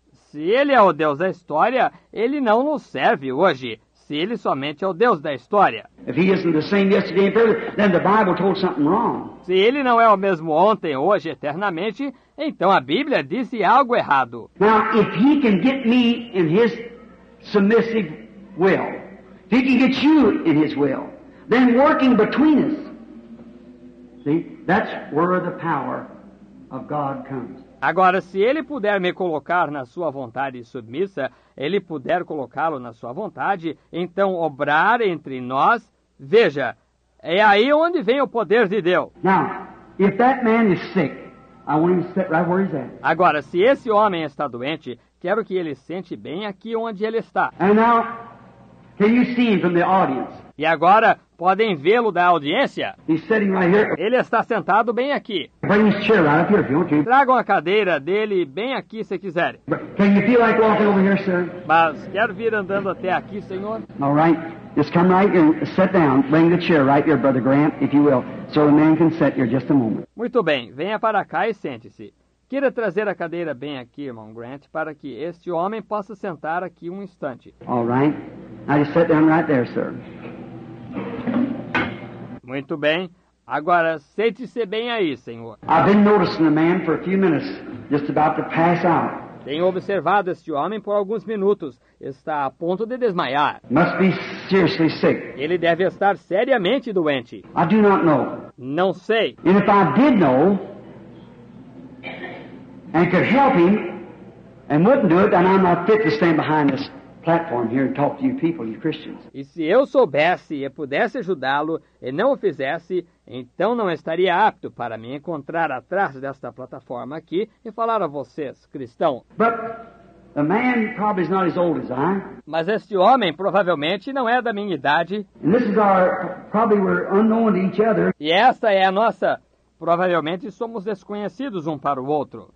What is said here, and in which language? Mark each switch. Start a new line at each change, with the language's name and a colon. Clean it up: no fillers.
Portuguese: Se ele é o deus da história, ele não nos serve hoje, se ele somente é o deus da história.
English: If he isn't the same yesterday and forever, then the Bible told something wrong.
Portuguese: Se ele não é o mesmo ontem, hoje, eternamente, então a Bíblia disse algo errado.
English: Now, if he can get me in his submissive will, if he can get you in his will, then working between us, see, that's where the power of God comes.
Portuguese: Agora, se ele puder me colocar na sua vontade submissa, ele puder colocá-lo na sua vontade, então obrar entre nós, veja... É aí onde vem o poder de Deus.
English: Now, if that man is sick, I want him to sit right where he's at.
Portuguese: Agora, se esse homem está doente, quero que ele sente bem aqui onde ele está.
English: And now, can you see him from the audience?
Portuguese: E agora, podem vê-lo da audiência?
English: He's sitting right here.
Portuguese: Ele está sentado bem aqui.
English: Bring his chair right up here, if you want to.
Portuguese: Tragam a cadeira dele bem aqui, se quiserem.
English: Can you feel like walking over here, sir?
Portuguese: Mas quero vir andando até aqui, senhor.
English: All right. Just come right and sit down. Bring the chair right here, Brother Grant, if you will, so the man can sit here just a moment.
Portuguese: Muito bem. Venha para cá e sente-se. Queira trazer a cadeira bem aqui, irmão Grant, para que este homem possa sentar aqui um instante.
English: All right. I just sit down right there, sir.
Portuguese: Muito bem. Agora, sente-se bem aí, senhor.
English: I've been noticing a man for a few minutes, just about to pass out.
Portuguese: Tenho observado este homem por alguns minutos. Está a ponto de desmaiar.
English: Must be seriously sick.
Portuguese: Ele deve estar seriamente doente.
English: I do not know.
Portuguese: Não sei.
English: And if I did know and could help him and wouldn't do it, then I'm not fit to stand behind this platform here and talk to you people, you Christians.
Portuguese: E se eu soubesse e pudesse ajudá-lo e não o fizesse, então não estaria apto para me encontrar atrás desta plataforma aqui e falar a vocês, cristão.
English: But the man probably is not as old as I.
Portuguese: Mas este homem provavelmente não é da minha idade.
English: And this is our, probably we're unknown to each other.
Portuguese: E esta é a nossa. Provavelmente somos desconhecidos um para o outro.